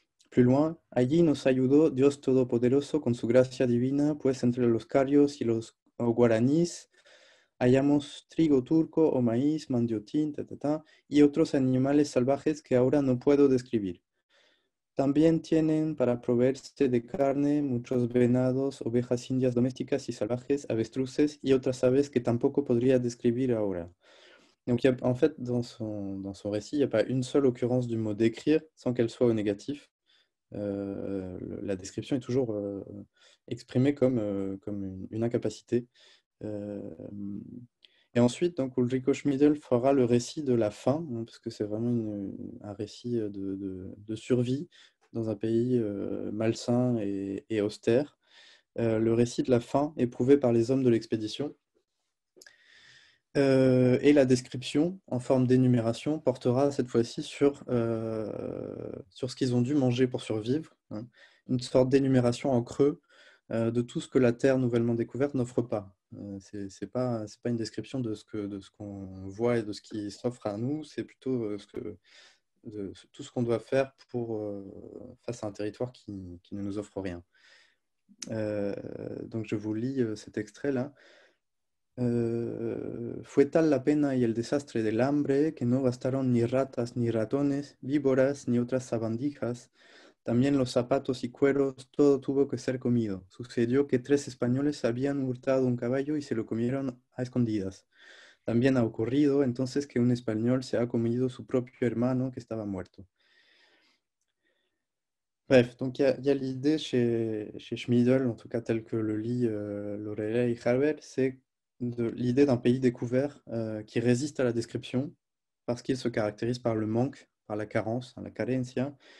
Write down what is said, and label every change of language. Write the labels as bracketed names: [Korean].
[French] Plus loin, [Spanish] allí nos ayudó Dios Todopoderoso con su gracia divina, pues entre los carios y los guaraníes hayamos trigo turco o maíz, mandiotín, ta, ta, ta, y otros animales salvajes que ahora no puedo describir. También tienen para proveerse de carne muchos venados, ovejas indias domésticas y salvajes, avestruces y otras aves que tampoco podría describir ahora. [French] Donc, y a, en fait, dans son récit, il n'y a pas une seule occurrence du mot décrire sans qu'elle soit au négatif. La description est toujours exprimée comme une incapacité. Et ensuite, donc, Ulrico Schmiedel fera le récit de la fin, hein, parce que c'est vraiment un récit de survie dans un pays malsain et austère. Le récit de la fin éprouvé par les hommes de l'expédition. Et la description, en forme d'énumération, portera cette fois-ci sur ce qu'ils ont dû manger pour survivre, hein, une sorte d'énumération en creux de tout ce que la terre nouvellement découverte n'offre pas. C'est pas une description de ce qu'on voit et de ce qui s'offre à nous, c'est plutôt tout ce qu'on doit faire pour face à un territoire qui ne nous offre rien. Donc je vous lis cet extrait là. [Spanish] Fue tal la pena y el desastre del hambre que no bastaron ni ratas ni ratones, víboras ni otras sabandijas. También los zapatos y cueros, todo tuvo que ser comido. Sucedió que tres españoles habían hurtado un caballo y se lo comieron a escondidas. También ha ocurrido entonces que un español se ha comido su propio hermano que estaba muerto. [French] Bref, donc il y a l'idée chez Schmiedel, en tout cas tel que le lit Lorelei et Harbert, c'est l'idée d'un pays découvert qui résiste à la description parce qu'il se caractérise par le manque, par la carence, [Spanish] la carencia.